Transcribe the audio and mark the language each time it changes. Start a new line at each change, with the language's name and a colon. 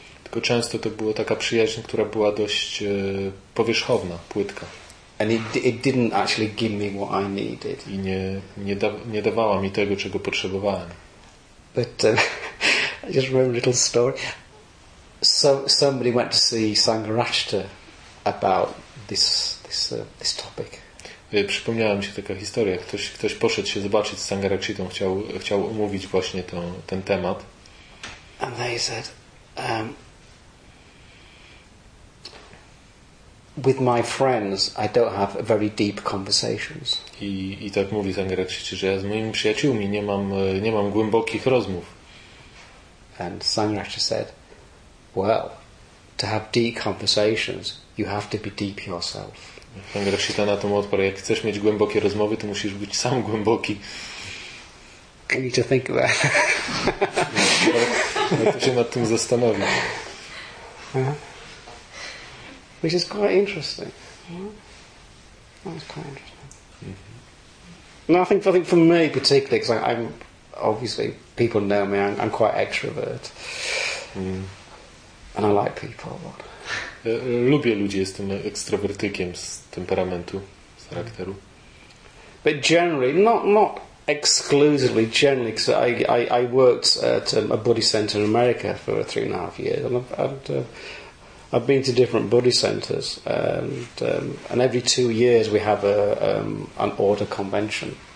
Polish: Tylko często to była taka przyjaźń, która była dość powierzchowna, płytka.
English: And it didn't actually give me what I needed.
Polish: I nie dawała mi tego, czego potrzebowałem.
English: But I just remember a little story. Somebody went to see Sangharakshita about this topic.
Polish: Przypomniała mi się taka historia. Ktoś poszedł się zobaczyć z Sangharakshitą, chciał omówić właśnie ten temat.
English: And they said, with my friends, I don't have very deep conversations.
Polish: I tak mówi Sangharakshita, że ja z moimi przyjaciółmi nie mam głębokich rozmów.
English: And Sangharakshita said, well, to have deep conversations, you have to be deep yourself.
Polish: Pan Rashita na to mu odparł: jak chcesz mieć głębokie rozmowy, to musisz być sam głęboki.
English: I need to think about it.
Polish: Ale to się nad tym zastanowić. Uh-huh.
English: Which is quite interesting. Uh-huh. That's quite interesting. Mm-hmm. No, I think for me particularly, because I'm obviously, people know me, I'm quite extrovert. Mm. And I like people a lot.
Polish: Lubię ludzi, jestem ekstrowertykiem z temperamentu, z charakteru.
English: But generally, not exclusively, generally, because I worked at a Buddhist center in America for 3.5 years, and I've been to different Buddhist centers, and every 2 years we have an order convention.